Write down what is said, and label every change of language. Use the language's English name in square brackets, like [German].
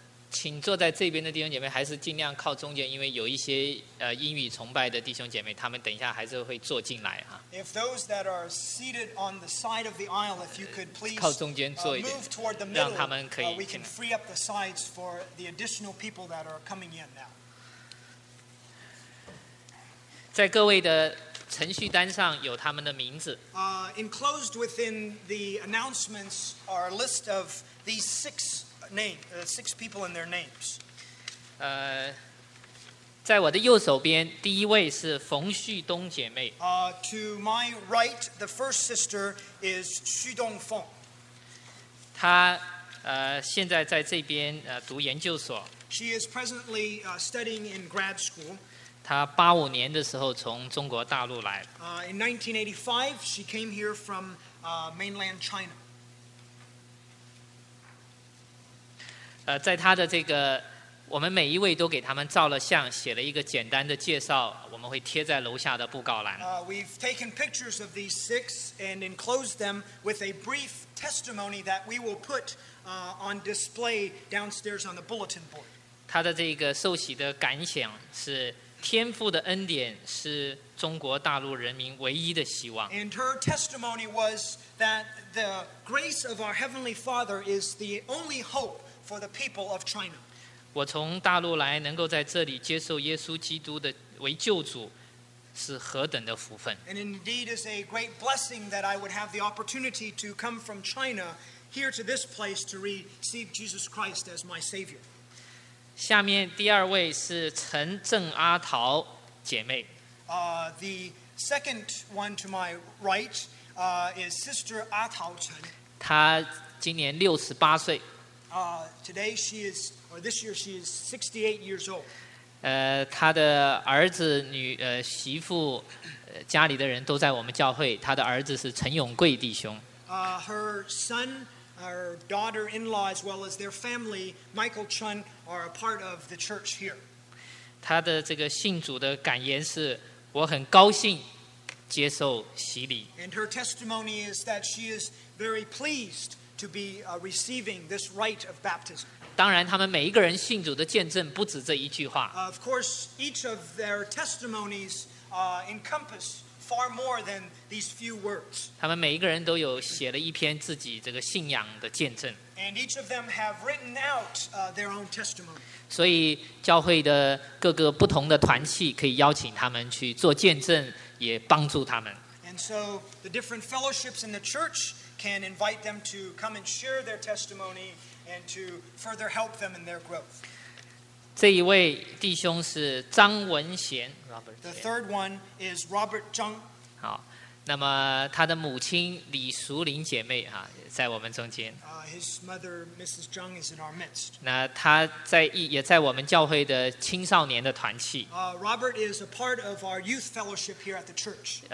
[Chinese] 请坐在这边的弟兄姐妹还是尽量靠中间，因为有一些英语崇拜的弟兄姐妹，他们等一下还是会坐进来啊。 [English] If those that are seated on the side of the aisle, if you could please [Chinese] 靠中间坐一点 [English] move toward the middle, [Chinese] 让他们可以 [English] we can free up the sides for the additional people that are coming in now. [Chinese] 在各位的程序单上有他们的名字。 [English] Enclosed within the announcements are a list of these six. Six people and their names. [Chinese] 在我的右手边，第一位是冯旭东姐妹。 [English] To my right, the first sister is Xu Dongfeng. [Chinese] 她现在在这边读研究所。 [English] She is presently studying in grad school. [Chinese] 她八五年的时候从中国大陆来。 [English] In 1985, she came here from mainland China. [Chinese] 在他的这个，我们每一位都给他们照了相，写了一个简单的介绍，我们会贴在楼下的布告栏。 [English] We've taken pictures of these six and enclosed them with a brief testimony that we will put on display downstairs on the bulletin board. [Chinese] 他的这个受洗的感想是天父的恩典是中国大陆人民唯一的希望。 [English] And her testimony was that the grace of our Heavenly Father is the only hope. For the people of China. [Chinese] 我从大陆来能够在这里接受耶稣基督的为救主是何等的福分。 [English] And indeed it's a great blessing that I would have the opportunity to come from China here to this place to receive Jesus Christ as my Savior. [Chinese] 下面第二位是陈郑阿桃姐妹。 [English] The second one to my right, is Sister 阿桃陈。 [Chinese] 她今年68岁。 [English] Today she is, or this year she is 68 years old. [Chinese] 她的儿子、女、媳妇、家里的人都在我们教会。她的儿子是陈永贵弟兄。 [English] Her son, her daughter-in-law, as well as their family, Michael Chun, are a part of the church here. [Chinese] 她的这个信主的感言是：我很高兴接受洗礼。 [English] And her testimony is that she is very pleased. To be receiving this rite of baptism. [Chinese] 当然，他们每一个人信主的见证不止这一句话。 [English] Of course, each of their testimonies encompass far more than these few words. [Chinese] 他们每一个人都有写了一篇自己这个信仰的见证。 [English] And each of them have written out their own testimony. [Chinese] 所以，教会的各个不同的团契可以邀请他们去做见证，也帮助他们。 [English] And so, the different fellowships in the church. Can invite them to come and share their testimony and to further help them in their growth. [Chinese] 这一位弟兄是张文贤 Robert [English] Chen. The third one is Robert Zhang. [Chinese] 好，那么他的母亲李淑玲姐妹哈，在我们中间。 [English] His mother, Mrs. Zhang, is in our midst. [Chinese] 那他在也在我们教会的青少年的团契。 [English] Robert is a part of our youth fellowship here at the church.